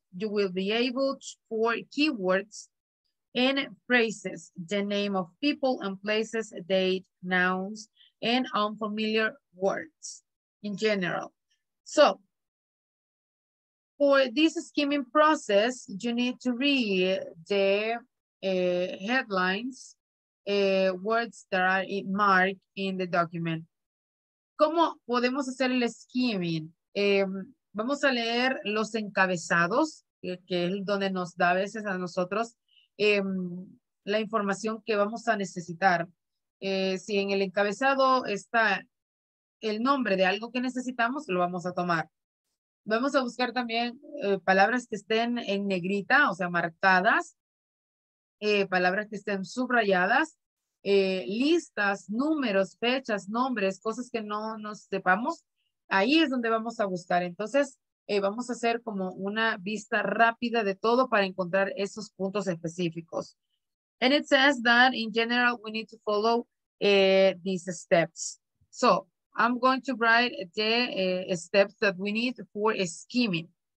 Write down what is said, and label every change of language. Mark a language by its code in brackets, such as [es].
[en] You will be able to for keywords and phrases, the name of people and places, date, nouns, and unfamiliar words in general. So for this skimming process, you need to read the headlines, words that are marked in the document. [es] ¿Cómo podemos hacer el skimming? Vamos a leer los encabezados, que es donde nos da a veces a nosotros la información que vamos a necesitar. Si en el encabezado está el nombre de algo que necesitamos, lo vamos a tomar. Vamos a buscar también palabras que estén en negrita, o sea, marcadas, palabras que estén subrayadas, listas, números, fechas, nombres, cosas que no nos sepamos. Ahí es donde vamos a buscar. Entonces, vamos a hacer como una vista rápida de todo para encontrar esos puntos específicos. [en] And it says that in general, we need to follow these steps. So I'm going to write the steps that we need for skimming.